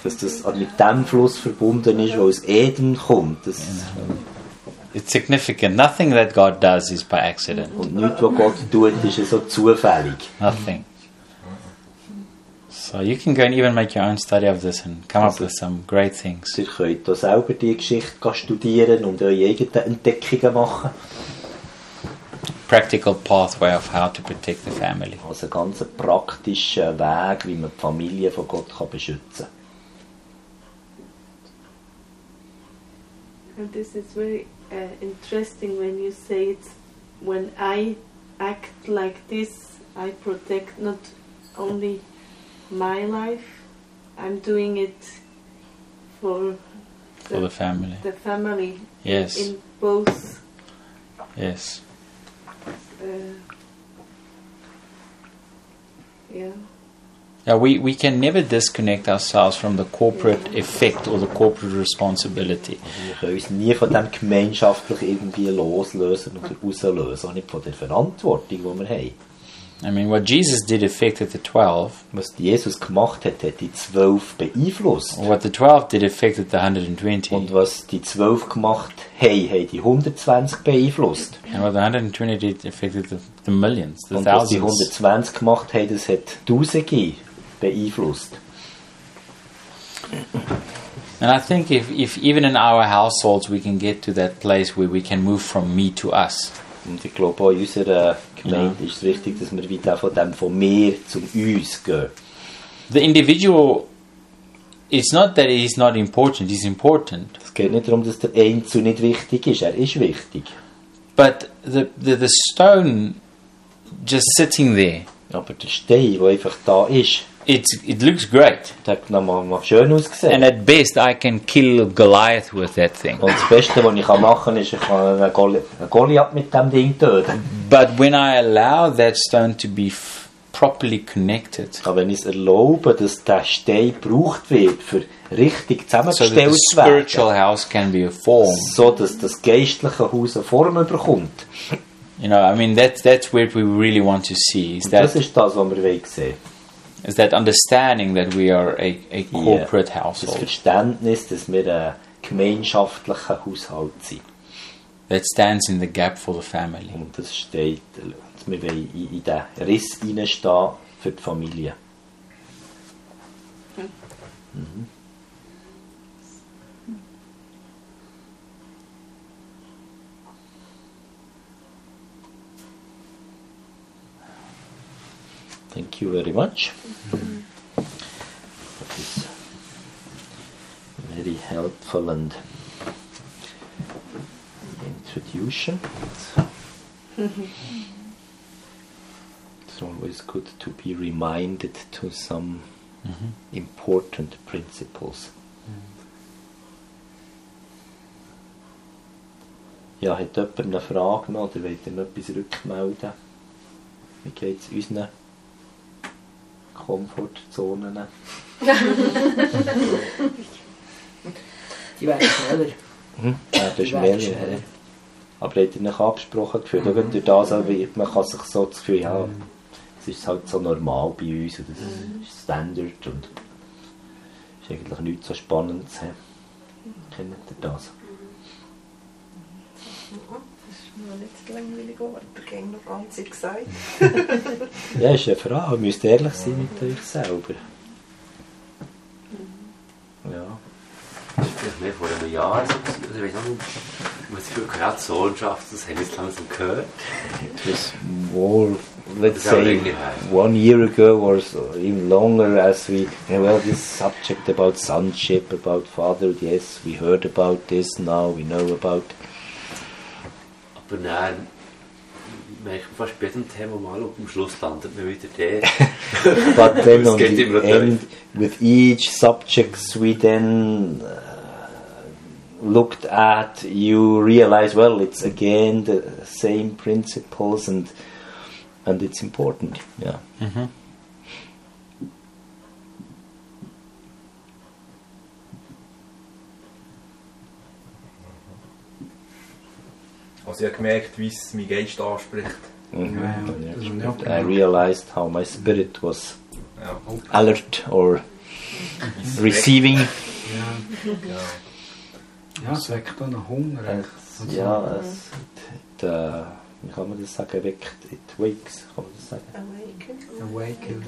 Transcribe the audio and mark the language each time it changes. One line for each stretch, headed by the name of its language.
English: It's significant. Nothing that God does is by accident. Nothing. So you can go and even make your own study of this and come up with some great things.
German: Ihr könnt da selber die Geschichte studieren und eure eigenen Entdeckungen machen.
English: Practical pathway of how to protect the family.
German: Also ein ganz praktischer Weg, wie man die Familie von Gott kann beschützen kann.
English: And this is very interesting when you say it's when I act like this, I protect not only my life, I'm doing it for the family. The family. Yes. In both. Yes. Yeah. Yeah, we can never disconnect ourselves from the corporate effect or the corporate responsibility.
German: Wir können uns nie von dem gemeinschaftlich irgendwie loslösen oder auslösen, nicht von der Verantwortung, die wir haben.
English: I mean, what Jesus did affected the 12.
German: Was Jesus gemacht hat, hat die 12 beeinflusst.
English: Or what the 12 did affected the 120.
German: Und was die 12 gemacht hat die 120 beeinflusst.
English: And what the 120 did affected the millions, the
German: Und
English: thousands.
German: Was die 120 gemacht hat, das hat Tausende beeinflusst.
English: And I think if even in our households we can get to that place where we can move from me to us.
German: Und ich glaube auch in unserer Gemeinde ist es wichtig, dass wir wieder von dem von mir zum uns gehen.
English: The individual, it's not that he's not important, he's important.
German: Es geht nicht darum, dass der Einzelne nicht wichtig ist, er ist wichtig.
English: But the stone just sitting there.
German: Aber der Stein, der einfach da ist.
English: It looks great.
German: Das hat nochmal schön ausgesehen.
English: And at best I can kill Goliath with that thing.
German: Und das Beste, was ich machen kann, ist, ich kann einen Goliath mit dem Ding töten.
English: But when I allow that stone to be properly connected.
German: Aber wenn ich erlaube, dass der Stein gebraucht wird, für richtig zusammengestellt zu werden.
English: So that the spiritual house can be a form.
German: So dass das geistliche Haus eine Form bekommt.
English: You know, I mean, that's what we really want to see. Is that,
German: das ist das, was wir wollen sehen.
English: Is that understanding that we are a corporate household.
German: Das Verständnis, dass wir ein gemeinschaftlicher Haushalt sind.
English: That stands in the gap for the family.
German: Und das steht, dass wir wollen in den Riss hineinstehen für die Familie.
English: Thank you very much. Mm-hmm. That is very helpful and introduction. It's always good to be reminded to some important principles. Mm-hmm.
German: Ja, hat jemand eine Frage noch oder wollt ihr noch etwas rückmelden? Wie geht es unseren Komfortzonen. Die werden schneller. Ja, das ist mehr schneller. Aber hat er nicht angesprochen gefühlt? Mhm. Durch das, man kann sich so das Gefühl haben, es ist halt so normal bei uns, das ist Standard und es ist eigentlich nichts so spannend zu haben. Kennt ihr das? Das ist mir nicht so langweilig geworden. Ich habe noch ganz viel gesagt. Ja, ist eine Frage. Ihr müsst ehrlich sein mit euch selber. Ja. Das war vielleicht mehr vor einem Jahr. Ich weiß noch nicht, ich muss gerade die Sohnschaft, das haben wir langsam gehört.
English: It was more, let's say, one year ago or so, even longer as we, well, this subject about sonship, about father, yes, we heard about this now, we know about.
German: Aber nein, ich merke fast bei jedem Thema mal, ob am Schluss landet man wieder da.
English: But then on the end, with each subject we then looked at, you realize, well, it's again the same principles and it's important. Yeah. Mm-hmm.
German: Also ich habe gemerkt, wie es mein Geist anspricht. Mm-hmm.
English: I realized how my spirit was alert or receiving.
German: Ja, es weckt einen Hunger. Ja, wie kann man das sagen? Weckt,
English: it wakes.
German: Kann man das sagen?